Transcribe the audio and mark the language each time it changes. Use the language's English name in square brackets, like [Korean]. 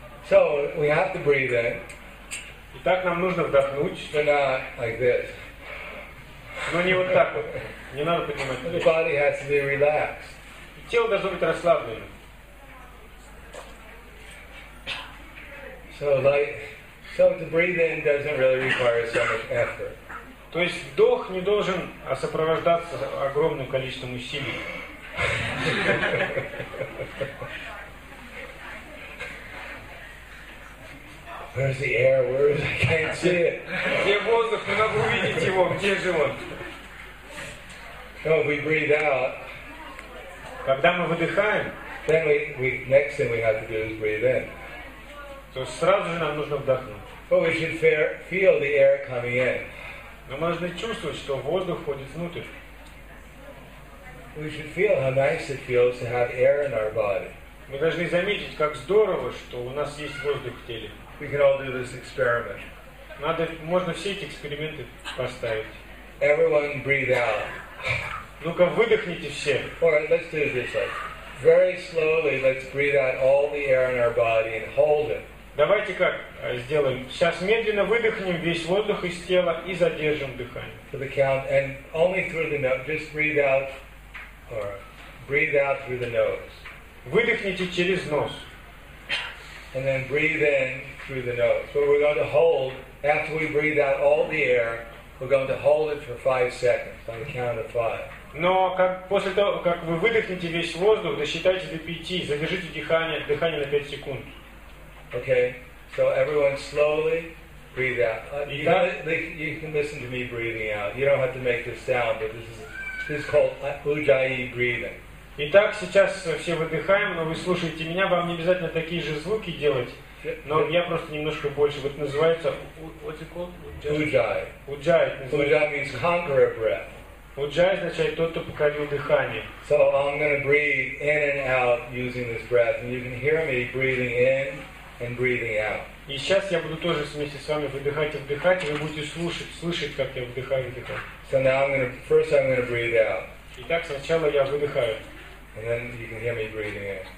[English] So we have to breathe in. [Russian] Итак, нам нужно вдохнуть. [English] But not like this. [Russian] Но не вот так вот. Не надо поднимать плечи. [English] The body has to be relaxed. [Russian] Тело должно быть расслаблено. [English] So to breathe in doesn't really require so much effort. [Russian] То есть вдох не должен сопровождаться огромным количеством усилий. [English] Yeah. Where's the air? Where is it? I can't see it. [Russian] Где воздух? Мне надо увидеть его. Где же он? [English] So we breathe out. [Russian] Когда мы выдыхаем, [English] then we next thing we have to do is breathe in. [Russian] То есть сразу же нам нужно вдохнуть. [English] But we should feel the air coming in. [Russian] Но мы должны чувствовать, что воздух входит внутрь. [English] We should feel how nice it feels to have air in our body. [Russian] Мы должны заметить, как здорово, что у нас есть воздух в теле. [English] We can all do this experiment. [Russian] Надо, можно все эти эксперименты поставить. [English] Everyone breathe out. [Russian] Ну-ка, выдохните все. [English] All right, let's do this. Very slowly, let's breathe out all the air in our body and hold it. [Russian] Давайте как сделаем. Сейчас медленно выдохнем весь воздух из тела и задержим дыхание. [English] To the count and only through the nose. Just breathe out or breathe out through the nose. [Russian] Выдохните через нос. [English] And then breathe in through the nose. So we're going to hold, after we breathe out all the air, we're going to hold it for 5 seconds on the count of 5. [Russian] Но как, после того, как вы выдохнете весь воздух, досчитайте до 5, задержите дыхание на 5 секунд. [English] Okay, so everyone slowly breathe out. You can listen to me breathing out. You don't have to make this sound, but this is called Ujjayi breathing. [Russian] Итак, сейчас все выдыхаем, но вы слушаете меня, вам не обязательно такие же звуки делать, но я просто немножко больше. Вот называется... [English] What's it called? Ujjayi. Ujjayi. Ujjayi means conqueror breath. [Russian] Ujjayi означает тот, кто покорил дыхание. [English] So I'm going to breathe in and out using this breath, and you can hear me breathing in and breathing out. [Russian] И сейчас я буду тоже вместе с вами выдыхать и вдыхать, и вы будете слышать, как я вдыхаю и вдыхаю. [English] So now first I'm going to breathe out. [Russian] Итак, сначала я выдыхаю. [English] And then you can hear me breathing in.